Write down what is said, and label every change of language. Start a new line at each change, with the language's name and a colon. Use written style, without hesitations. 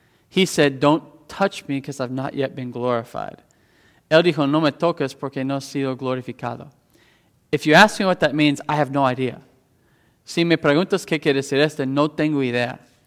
English: He said, "Don't touch me because I've not yet been glorified."
Spanish: Él dijo, "No me toques porque no he sido glorificado."
English: If you ask me what that means, I have no idea.
Spanish: Si me preguntas qué quiere decir esto, no tengo idea.